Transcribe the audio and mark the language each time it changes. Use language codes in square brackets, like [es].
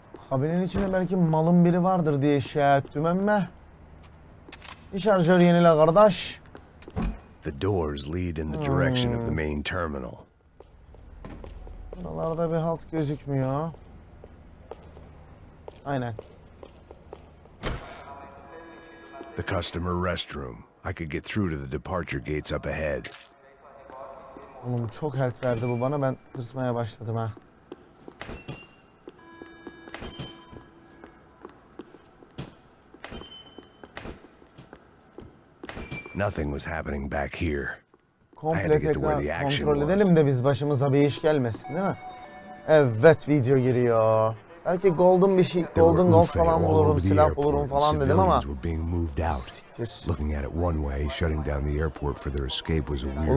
[tr] Kabinin içinde belki malın biri vardır diye şey ettim ama. Bir şarjör yenile kardeş. [en] The doors lead in the direction of the main terminal. [tr] Buralarda bir halt gözükmüyor. Aynen. [en] The customer restroom. I could get through to the departure gates up ahead. [tr] Oğlum çok health verdi bu bana. Ben kısmaya başladım ha. [en] Nothing was happening back here. [tr] Komple tekrar kontrol edelim de biz başımıza bir iş gelmesin, değil mi? Evet, video giriyor. Belki golden bir şey, golden gold falan bulurum, silah bulurum falan dedim ama. Siktir. [en] Looking at it one way, shutting down the airport for their escape was a weird.